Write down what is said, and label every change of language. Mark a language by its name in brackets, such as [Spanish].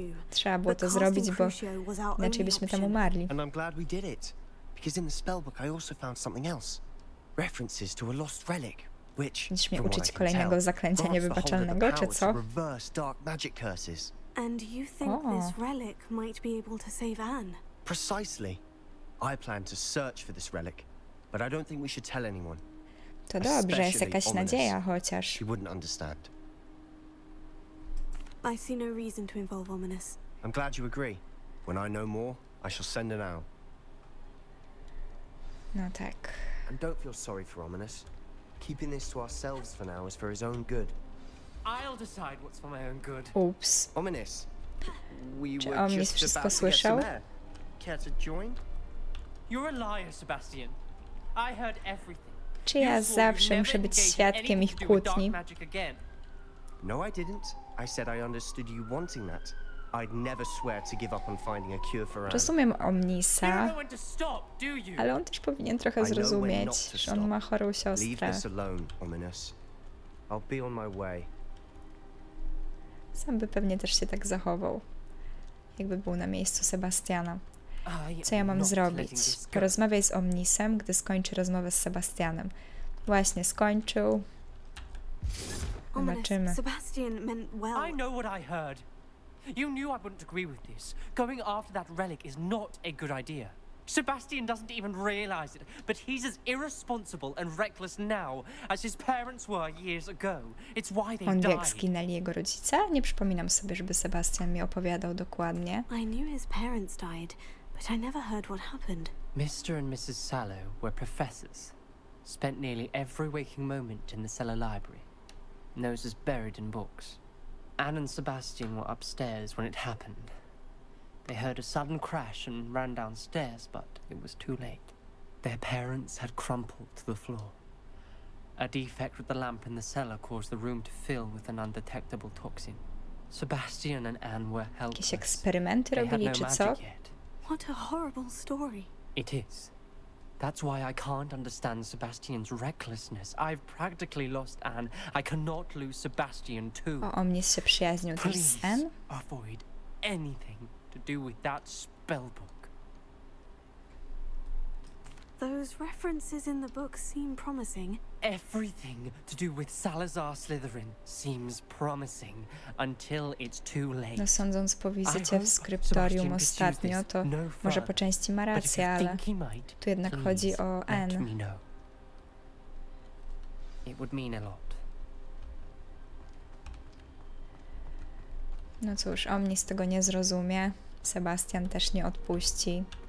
[Polish] Trzeba było to zrobić, bo inaczej byśmy tam umarli. [English] And I'm glad we did it, because in the spellbook I also found something else. References to a lost relic, which, from what I can tell, [Polish] kolejnego zaklęcia niewybaczalnego, czy co? [English] Reverse dark magic curses. And you think this relic might be able to save Anne? Precisely. I plan to search for this relic. But I don't think we should tell anyone. [Polish] To dobrze, jest jakaś nadzieja chociaż. [English] She wouldn't understand. I see no reason to involve Ominous. I'm glad you agree. When I know more, I shall send an owl. [Polish] No tak. [English] And don't feel sorry for Ominous. Keeping this to ourselves for now is for his own good. I'll decide what's for my own good. Oops. Ominous. We [Polish] Czy [English] were Ominous just [Polish] wszystko słyszał? [English] Care to join? You're a liar, Sebastian. I heard everything. [Polish] Czy ja zawsze muszę być świadkiem ich kłótni? [English] No, I didn't. I said I understood you wanting that. I'd never swear to give up on finding a cure for Anne. [Polish] Rozumiem Omnisa, ale on też powinien trochę zrozumieć, że on ma chorą siostrę. [English] Leave this alone, Ominous. I'll be on my way. [Polish] Sam by pewnie też się tak zachował, jakby był na miejscu Sebastiana. Co ja mam zrobić? Porozmawiaj z Omnisem, gdy skończy rozmowę z Sebastianem. Właśnie skończył. Zobaczymy. [English] Sebastian meant well. I know what I heard. You knew I wouldn't agree with this. Going after that relic is not a good idea. Sebastian doesn't even realize it, but he's as irresponsible and reckless now as his parents were years ago. It's why they died. [Polish] On jak zginęli jego rodzice? Nie przypominam sobie, żeby Sebastian mi opowiadał dokładnie. [English] I knew his parents died, but I never heard what happened. Mr. and Mrs. Sallow were professors. Spent nearly every waking moment in the cellar library. Noses buried in books. Anne and Sebastian were upstairs when it happened. They heard a sudden crash and ran downstairs, but it was too late. Their parents had crumpled to the floor. A defect with the lamp in the cellar caused the room to fill with an undetectable toxin. Sebastian and Anne were helpless. [Polish] Jakieś eksperymenty robili, czy co? [English] What a horrible story. It is. That's why I can't understand Sebastian's recklessness. I've practically lost Anne. I cannot lose Sebastian too. [Polish] O, Omnis się przyjaźnił z Anne. [English] Please avoid anything to do with that spellbook. Those references in the book seem promising. Everything to do with Salazar Slytherin seems promising until it's too late. [Polish] No, sądząc po wizycie w skryptorium ostatnio, to może po części ma rację, ale tu jednak chodzi o Anne. [English] It would mean a lot. [Polish] No cóż, Omnis tego nie zrozumie. Sebastian też nie odpuści.